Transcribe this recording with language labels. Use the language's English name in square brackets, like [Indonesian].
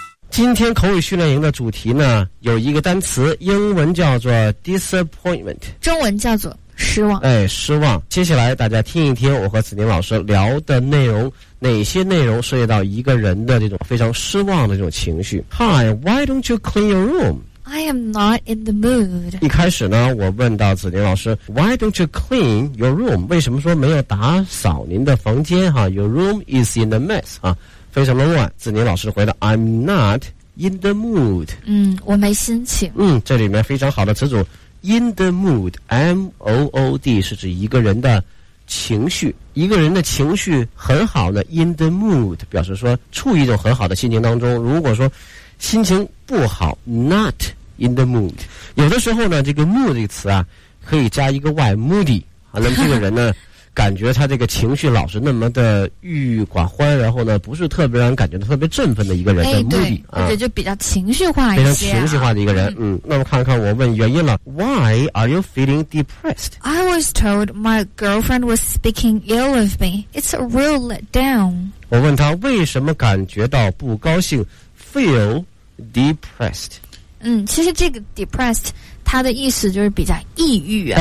[Chinese] 今天口语训练营的主题呢，有一个单词，英文叫做 disappointment，中文叫做失望。哎，失望。接下来大家听一听我和子宁老师聊的内容。哪些内容涉及到一个人的这种非常失望的这种情绪。 [English] Hi, why don't you clean your room? I am not in the mood. [Chinese] 一开始呢我问到子宁老师， [English] Why don't you clean your room? [Chinese] 为什么说没有打扫您的房间哈？ [English] Your room is in a mess [Chinese] 哈，非常的乱。 子宁老师回答， [English] I'm not in the mood. [Chinese] 嗯，我没心情。嗯，这里面非常好的词组 In the mood, M-O-O-D 是指一个人的情绪，一个人的情绪很好呢 ，in the mood 表示说处于一种很好的心情当中。如果说心情不好 ， [English] not in the mood。 [Chinese] 有的时候呢，这个 mood 这个词啊，可以加一个 y， moody 啊。那么这个人呢，感觉他这个情绪老是那么的郁郁寡欢，然后呢，不是特别让人感觉特别振奋的一个人的 moody 啊，或者就比较情绪化一些、啊，非常情绪化的一个人。嗯，那么看看我问原因了 ， [English] Why are you feeling depressed？ I was told my girlfriend was speaking ill of me. It's a real letdown. [Chinese] 我问他为什么感觉到不高兴 ， [English] feel depressed. [Chinese] 嗯，其实这个 depressed 它的意思就是比较抑郁啊，